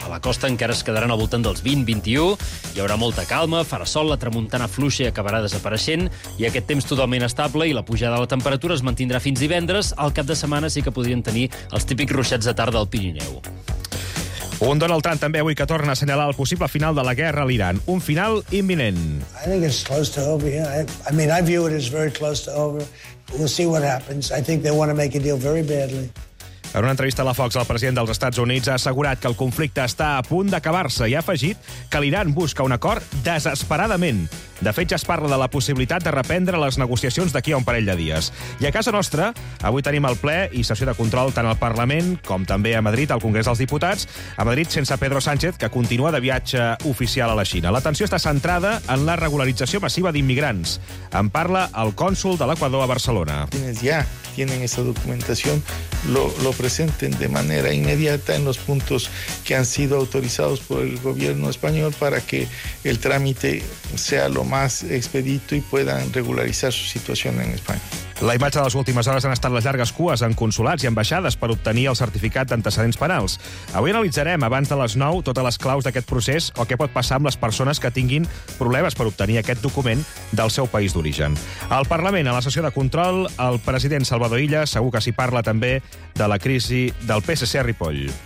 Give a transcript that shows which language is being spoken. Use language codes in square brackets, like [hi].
[ca] A la costa encara es quedaran al voltant dels 20-21. Hi haurà molta calma, farà sol, la tramuntana fluixa i acabarà desapareixent. I aquest temps totalment estable i la pujada de la temperatura es mantindrà fins divendres. Al cap de setmana sí que podrien tenir els típics ruixats de tarda al Pirineu. Un Donald Trump també avui que torna a assenyalar el possible final de la guerra a l'Iran. Un final imminent. [en] I think it's close to over. Yeah. I mean, I view it as very close to over. We'll see what happens. I think they want to make a deal very badly. [ca] En una entrevista a la Fox, el president dels Estats Units ha assegurat que el conflicte està a punt d'acabar-se i ha afegit que l'Iran busca un acord desesperadament. De fet, ja es parla de la possibilitat de reprendre les negociacions d'aquí a un parell de dies. I a casa nostra, avui tenim el ple i sessió de control tant al Parlament com també a Madrid, al Congrés dels Diputats, a Madrid sense Pedro Sánchez, que continua de viatge oficial a la Xina. L'atenció està centrada en la regularització massiva d'immigrants. En parla el cònsul de l'Equador a Barcelona. [es] Tienen esa documentación, lo presenten de manera inmediata en los puntos que han sido autorizados por el gobierno español para que el trámite sea lo más expedito y puedan regularizar su situación en España. [ca] La imatge de les últimes hores han estat les llargues cues en consulats i ambaixades per obtenir el certificat d'antecedents penals. Avui analitzarem, abans de les 9, totes les claus d'aquest procés o què pot passar amb les persones que tinguin problemes per obtenir aquest document del seu país d'origen. Al Parlament, a la sessió de control, el president Salvador Illa segur que s'hi parla també de la crisi del PSC a Ripoll.